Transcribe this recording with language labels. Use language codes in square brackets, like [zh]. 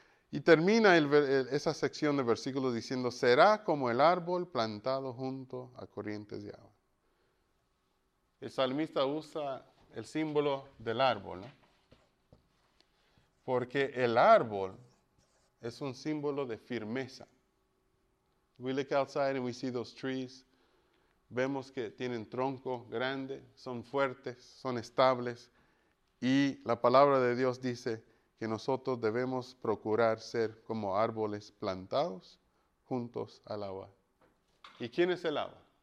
[es] Y termina esa sección de versículos diciendo, será como el árbol plantado junto a corrientes de agua. El salmista usa el símbolo del árbol, ¿no? Porque el árbol es un símbolo de firmeza. [en] We look outside and we see those trees. [es] Vemos que tienen tronco grande, son fuertes, son estables. Y la palabra de Dios dice que nosotros debemos procurar ser como árboles plantados juntos al agua. ¿Y quién es el agua?